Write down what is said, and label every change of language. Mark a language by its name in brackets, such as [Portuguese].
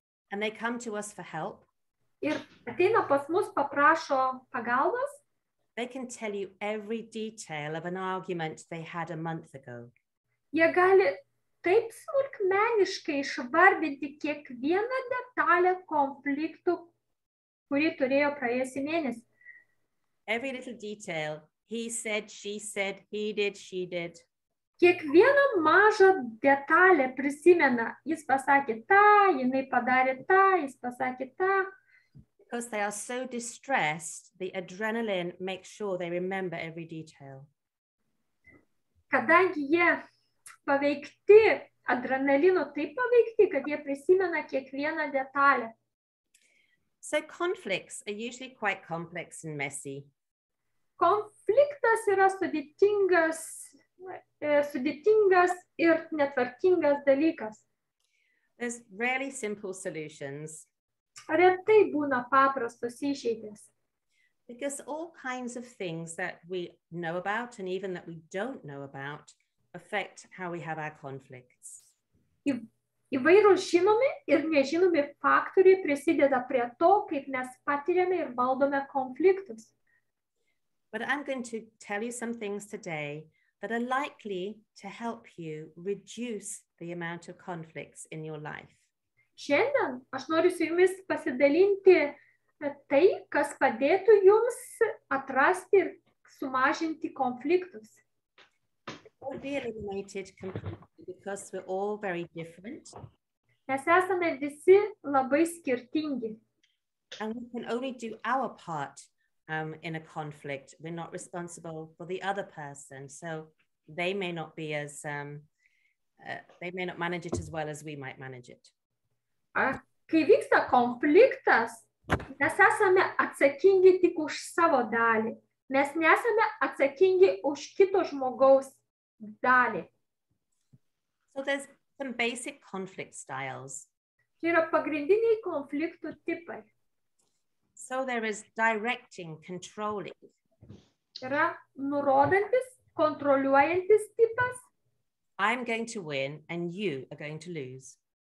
[English] and they come to us for help, [Lithuanian] ir ateina pas mus paprašo pagalbos, [English] they can tell you every detail of an argument they had a month ago. [Lithuanian] Jie gali taip smulkmeniškai išvardinti kiekvieną detalę konfliktų, kurį turėjo praėjusį mėnesį. [English] Every little detail, he said, she said, he did, she did. [Lithuanian] Kiekvieną mažą detalę prisimena, jis pasakė tą, jinai padarė tą, jis pasakė tą. [English] Because they are so distressed, the adrenaline makes sure they remember every detail. [Lithuanian] Kadangi jie paveikti adrenalino, taip paveikti, kad jie prisimena kiekvieną detalę. [English] So conflicts are usually quite complex and messy. [Lithuanian] Konfliktas yra sudėtingas ir netvarkingas dalykas. [English] There's rarely simple solutions. [Lithuanian] Retai būna paprastos išeitės. [English] Because all kinds of things that we know about and even that we don't know about affect how we have our conflicts. [Lithuanian] Įvairūs žinomi ir nežinomi faktoriai prisideda prie to, kaip mes patiriame ir valdome konfliktus. [English] But I'm going to tell you some things today that are likely to help you reduce the amount of conflicts in your life. [Lithuanian] Šiandien aš noriu su jumis pasidalinti tai, kas padėtų jums atrasti ir sumažinti konfliktus. Mes esame visi labai skirtingi. [English] And we can only do our part in a conflict. We're not responsible for the other person. So they may not be as they may not manage it as well as we might manage it. [Lithuanian] Kai vyksta konfliktas, mes esame atsakingi tik už savo dalį. Mes nesame atsakingi už kito žmogaus dalį. [English] So there's some basic conflict styles. [Lithuanian] Tai yra pagrindiniai konfliktų tipai. [English] So there is directing, controlling. [Lithuanian] Yra nurodantis, kontroliuojantis tipas. [English] I'm going to win and you are going to lose.